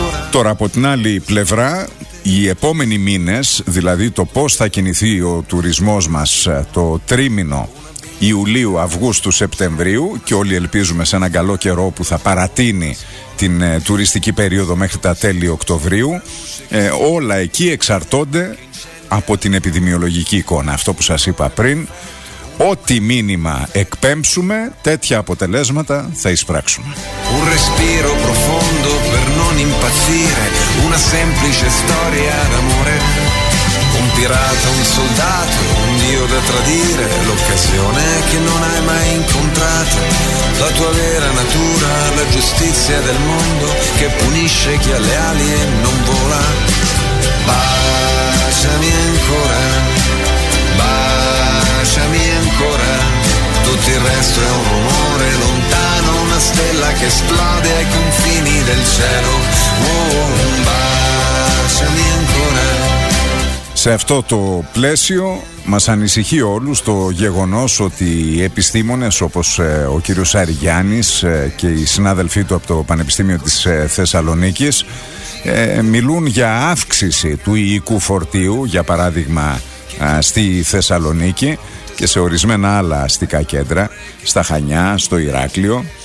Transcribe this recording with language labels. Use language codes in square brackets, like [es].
[el] Τώρα, από την άλλη πλευρά, οι επόμενοι μήνες, δηλαδή το πώς θα κινηθεί ο τουρισμός μας το τρίμηνο Ιουλίου, Αυγούστου, Σεπτεμβρίου, και όλοι ελπίζουμε σε έναν καλό καιρό που θα παρατείνει την τουριστική περίοδο μέχρι τα τέλη Οκτωβρίου, όλα εκεί εξαρτώνται από την επιδημιολογική εικόνα, αυτό που σας είπα πριν. Ό,τι μήνυμα εκπέμψουμε, τέτοια αποτελέσματα θα εισπράξουμε. [it] Un respiro profondo per non impazzire, una semplice storia d'amore. Un pirata, un soldato, un dio da tradire, l'occasione che non hai mai incontrato. La tua vera natura, la giustizia del mondo che punisce chi ha le ali e non vola. Baciami ancora. Baciami ancora, tutto il resto è un rumore lontano, una stella che esplode ai confini del cielo. Oh, baciami ancora. [el] Σε αυτό το πλαίσιο μας ανησυχεί όλους το γεγονός ότι οι επιστήμονες όπως ο κύριος Αριγιάννης και οι συνάδελφοί του από το Πανεπιστήμιο της Θεσσαλονίκης μιλούν για αύξηση του υλικού φορτίου, για παράδειγμα στη Θεσσαλονίκη και σε ορισμένα άλλα αστικά κέντρα, στα Χανιά, στο Ηράκλειο.